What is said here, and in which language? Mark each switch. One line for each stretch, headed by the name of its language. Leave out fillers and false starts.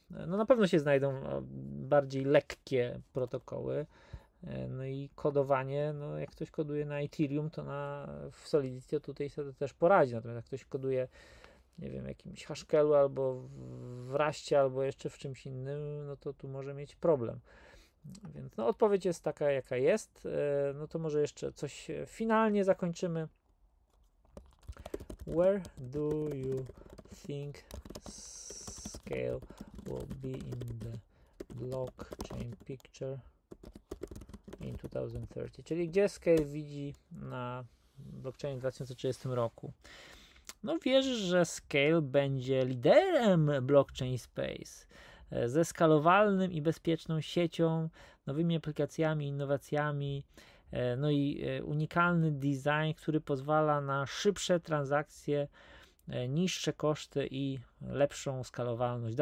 Polish: No na pewno się znajdą bardziej lekkie protokoły, no i kodowanie, no jak ktoś koduje na Ethereum, to w Solidity to tutaj sobie też poradzi, natomiast jak ktoś koduje, nie wiem, jakimś Haskellu albo w Raście, albo jeszcze w czymś innym, no to tu może mieć problem. Więc no, odpowiedź jest taka, jaka jest. No to może jeszcze coś finalnie zakończymy.
English: Where do you think scale will be in the blockchain picture in 2030?
Polish: Czyli gdzie scale widzi na blockchain w 2030 roku? No wierzysz, że scale będzie liderem blockchain space? Ze skalowalnym i bezpieczną siecią, nowymi aplikacjami, innowacjami, no i unikalny design, który pozwala na szybsze transakcje, niższe koszty i lepszą skalowalność.